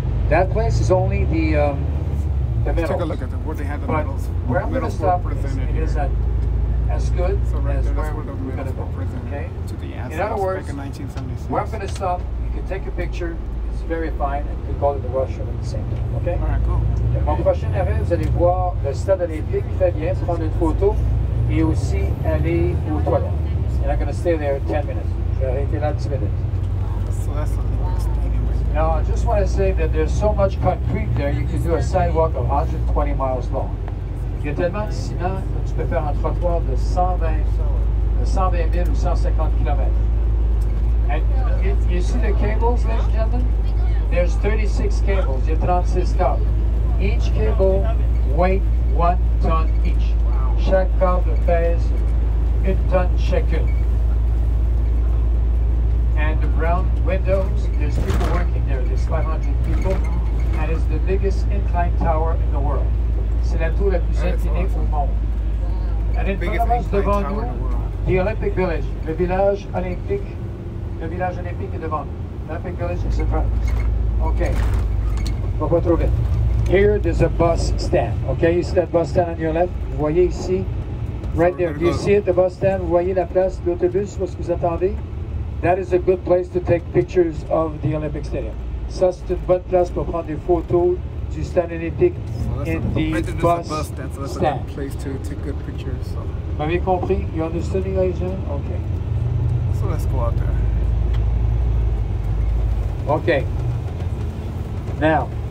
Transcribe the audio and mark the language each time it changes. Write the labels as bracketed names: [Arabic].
[English] That place is only the medals. Let's take a look at them, where they have the medals. Where I'm going to stop is, as good so right as there, where we're going to go. Okay? To the in other words, back in 1976. Where I'm going to stop, you can take a picture. Very fine, and could call it the washroom at the same time. Okay. All right. Cool. [French] Mon prochain arrêt, vous allez voir le stade olympique. Très bien. Prendre une photo et aussi aller aux toilettes. [English] And I'm gonna stay there 10 minutes. [French] Je vais arrêter là 10 minutes. [English] So that's the worst. Now I just want to say that there's so much concrete there, you can do a sidewalk of 120 miles long. [French] Il y a tellement de ciment que tu peux faire un trottoir de 120 000 ou 150 km. [English] And you see the cables, ladies and gentlemen? There's 36 cables, you have 36 cables. Each cable weight 1 ton each. Wow. [French] Chaque câble pèse 1 ton chacune. [English] And the brown windows, there's people working there, there's 500 people. And it's the biggest incline tower in the world. [French] C'est la tour la plus inclinée au monde. [English] And in front of us, [French] devant nous, [English] the Olympic Village, [French] le village olympique. Le village olympique est devant nous. [English] L'Olympic Village is in front of us. Okay. [French] Va pas trop vite. [English] Here, there's a bus stand. Okay, you see that bus stand on your left? [French] Vous voyez ici? [English] Right there. Do you see it, the bus stand? [French] Vous voyez la place d'autobus? Où est-ce que vous attendez? [English] That is a good place to take pictures of the Olympic Stadium. [French] Ça, c'est une bonne place pour prendre des photos du stade olympique [English] in the bus stand. So that's a good place to take good pictures. [French] Vous m'avez compris? [English] You understood me, ladies and gentlemen? Okay. So let's go out there. Okay. Now.